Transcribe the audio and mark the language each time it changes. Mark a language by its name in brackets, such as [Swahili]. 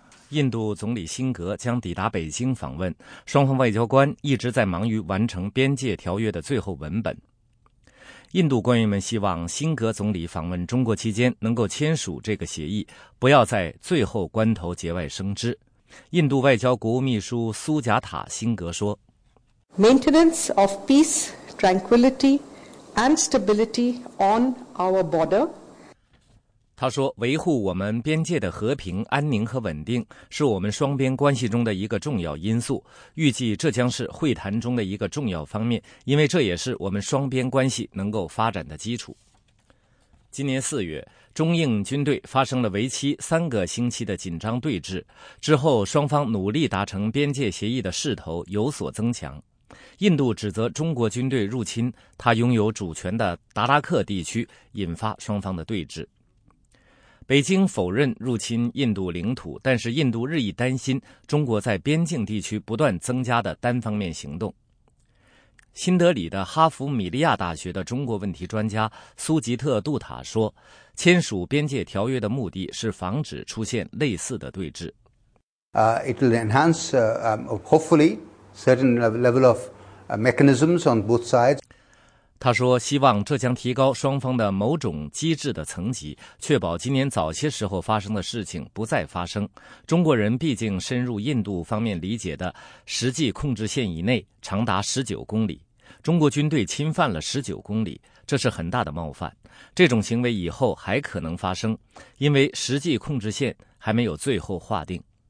[Chinese] 印度总理辛格将抵达北京访问，双方外交官一直在忙于完成边界条约的最后文本。印度官员们希望辛格总理访问中国期间能够签署这个协议，不要在最后关头节外生枝。印度外交国务秘书苏贾塔·辛格说， [English] Maintenance of peace, tranquility and stability on our border. [Chinese] 他说，维护我们边界的和平、安宁和稳定是我们双边关系中的一个重要因素，预计这将是会谈中的一个重要方面，因为这也是我们双边关系能够发展的基础。今年四月，中印军队发生了为期3个星期的紧张对峙，之后双方努力达成边界协议的势头有所增强。印度指责中国军队入侵他拥有主权的达拉克地区，引发双方的对峙。北京否认入侵印度领土，但是印度日益担心中国在边境地区不断增加的单方面行动。新德里的哈佛米利亚大学的中国问题专家苏吉特·杜塔说，签署边界条约的目的是防止出现类似的对峙。 [English] It will enhance, hopefully, certain level of mechanisms on both sides. [Chinese] 他说，希望这将提高双方的某种机制的层级，确保今年早些时候发生的事情不再发生。中国人毕竟深入印度方面理解的实际控制线以内长达19公里，中国军队侵犯了19公里，这是很大的冒犯，这种行为以后还可能发生，因为实际控制线还没有最后划定。